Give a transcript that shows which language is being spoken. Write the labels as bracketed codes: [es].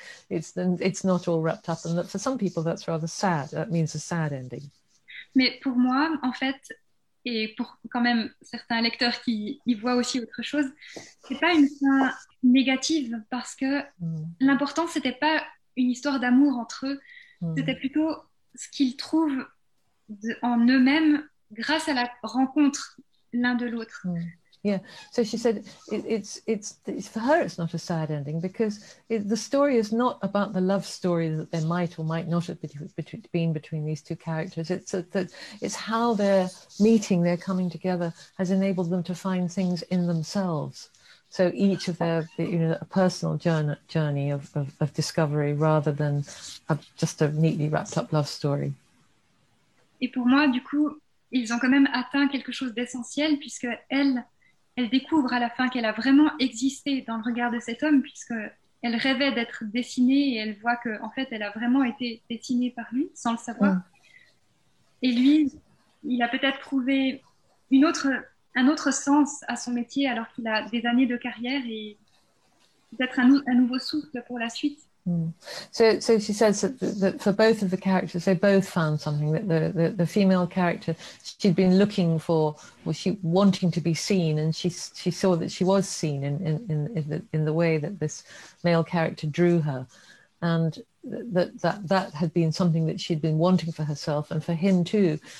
[en] It's not all wrapped up, and that for some people that's rather sad. That means a sad ending. [fr] Mais pour moi, en fait, et pour quand même certains lecteurs qui y voient aussi autre chose, c'est pas une fin négative, parce que l'important, c'était pas une histoire d'amour entre eux, c'était plutôt ce qu'ils trouvent en eux-mêmes grâce à la rencontre l'un de l'autre. [en] Yeah, so she said it's for her it's not a sad ending because the story is not about the love story that there might or might not have been between these two characters. It's how their meeting, their coming together, has enabled them to find things in themselves. So each of their, you know, a personal journey of discovery rather than just a neatly wrapped up love story. [fr] Et pour moi, du coup, ils ont quand même atteint quelque chose d'essentiel puisque elle découvre à la fin qu'elle a vraiment existé dans le regard de cet homme, puisqu'elle rêvait d'être dessinée et elle voit qu'en fait, elle a vraiment été dessinée par lui, sans le savoir. Et lui, il a peut-être trouvé un autre sens à son métier alors qu'il a des années de carrière et peut-être un nouveau souffle pour la suite. [en] So she says that for both of the characters, they both found something. That the female character, she'd been looking for, was she wanting to be seen, and she saw that she was seen in the way that this male character drew her, and that had been something that she'd been wanting for herself and for him too.